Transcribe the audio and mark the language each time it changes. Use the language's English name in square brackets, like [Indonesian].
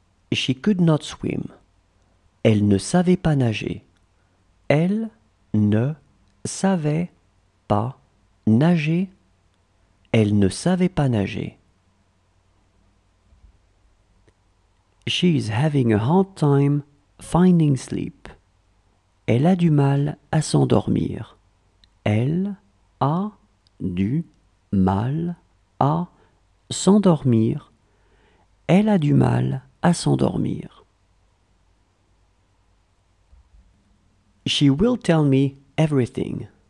[English] She could not swim. [French] Elle ne savait pas nager. Elle ne savait pas nager. Elle ne savait pas nager. [English] She is having a hard time finding sleep. [French] Elle a du mal à s'endormir. Elle a du mal à s'endormir. Elle a du mal à s'endormir. [English] She will tell me everything.